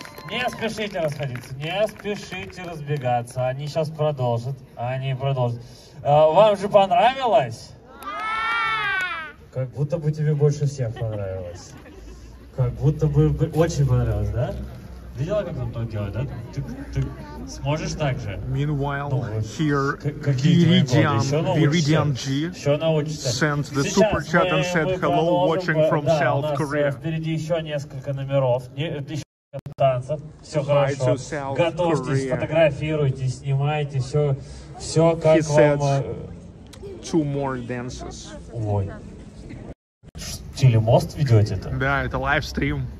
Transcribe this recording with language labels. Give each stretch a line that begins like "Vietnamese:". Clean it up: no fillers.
Russian: Не спешите расходиться, не спешите разбегаться. Они сейчас продолжат, они продолжат. Вам же понравилось? Как будто бы тебе больше всех понравилось. Как будто бы очень понравилось, да? Видела, как он тут делает, да? Ты сможешь так же?
English: Meanwhile, here, Viridian, Viridian G sent the super chat and said, hello, watching from South Korea.
Russian: Впереди еще несколько номеров. Танцев, все хорошо. Готовьтесь, фотографируйте, снимайте, все как he вам.
English: Two more dances.
Russian: Ой. Телемост ведете-то? Да, это лайвстрим.